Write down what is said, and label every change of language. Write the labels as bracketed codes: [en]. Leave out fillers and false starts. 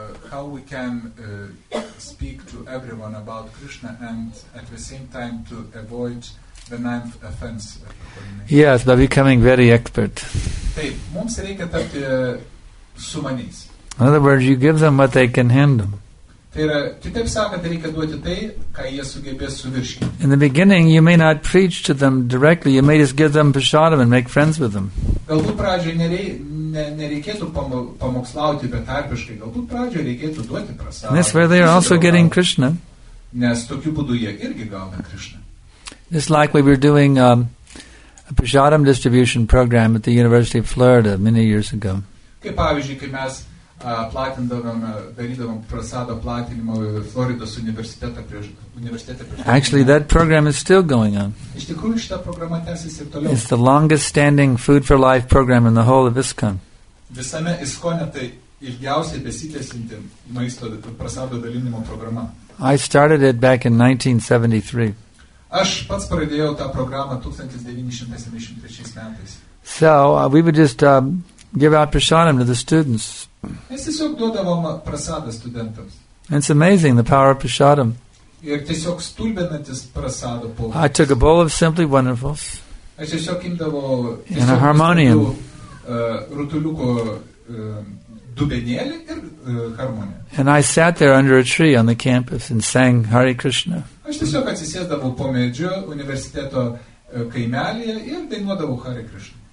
[en] How we can speak to everyone about Krishna and at the same time to avoid the ninth offense? Yes, by becoming very expert. [lt] Taip, mums reikia tapti sumaniais. [en] In other words, you give them what they can handle. [lt] Tai yra, kitaip sakant, reikia duoti tai, ką jie sugebės suvirškinti. [en] In the beginning, you may not preach to them directly, you may just give them prasadam and make friends with them. [lt] Galbūt pradžioje nereikėtų pamokslauti betarpiškai, galbūt pradžioje reikėtų duoti prasadam. [en] That's where they are also getting Krishna. [lt] Nes tokiu būdu jie irgi gauna Krishna. [en] It's like we were doing a prasadam distribution program at the University of Florida many years ago. [lt] Kaip pavyzdžiui, kai mes darydavom prasado platinimo Floridos universitete prieš. [en] Actually, that program is still going on. [lt] Iš tikrųjų, šita programa tęsiasi ir toliau. [en] It's the longest standing Food for Life program in the whole of ISKCON. [lt] Visame ISKCONe tai ilgiausiai besitęsianti maisto prasado dalinimo programa. [en] I started it back in 1973. [lt] Aš pats pradėjau tą programą 1973 metais. [en] So, we would just give out prasadam to the students. [lt] Mes tiesiog duodavom prasadą studentams. [en] It's amazing, the power of prasadam. [lt] Ir tiesiog stulbinantis prasado poveikis. [en] I took a bowl of Simply Wonderfuls. [lt] Aš tiesiog imdavau [en] in a harmonium. [lt] Rutuliuko dubenėlį ir harmoniją. [en] And I sat there under a tree on the campus and sang Hare Krishna. [lt] Aš tiesiog atsisėdavau po medžiu universiteto kaimelyje ir dainuodavau Hare Krishna.